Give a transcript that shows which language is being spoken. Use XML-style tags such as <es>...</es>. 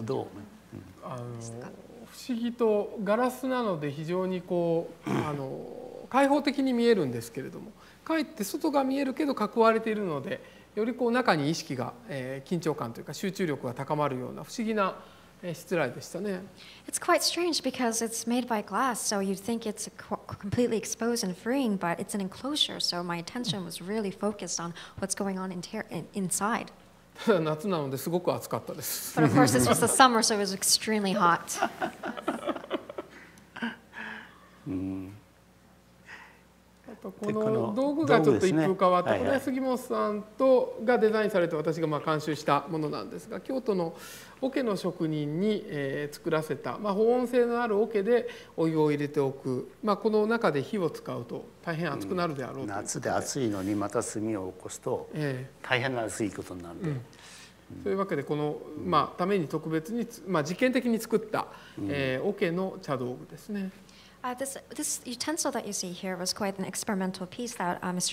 <ja>不思議とガラスなので非常にこう開放的に見えるんですけれども、かえって外が見えるけど囲われているので、よりこう中に意識が、緊張感というか集中力が高まるような不思議な失礼でしたね。</ja> <en>It's quite strange because it's made by glass, so you'd think it's completely exposed and freeing, but it's an enclosure, so my attention was really focused on what's going on inside.</en> <ja>夏なのですごく暑かったです。</ja> <en>But of course, this was the summer, so it was extremely hot.</en> <ja>この道具がちょっと一風変わって、これは杉本さんとがデザインされて私がまあ監修したものなんですが、京都の桶の職人に作らせた、まあ、保温性のある桶でお湯を入れておく、まあ、この中で火を使うと大変熱くなるであろうということで、夏で暑いのにまた炭を起こすと大変な熱いことになるので、そういうわけでこの、まあ、ために特別に、まあ、実験的に作った、桶の茶道具ですね。</ja> <en>This utensil that you see here was quite an experimental piece that Mr.</en>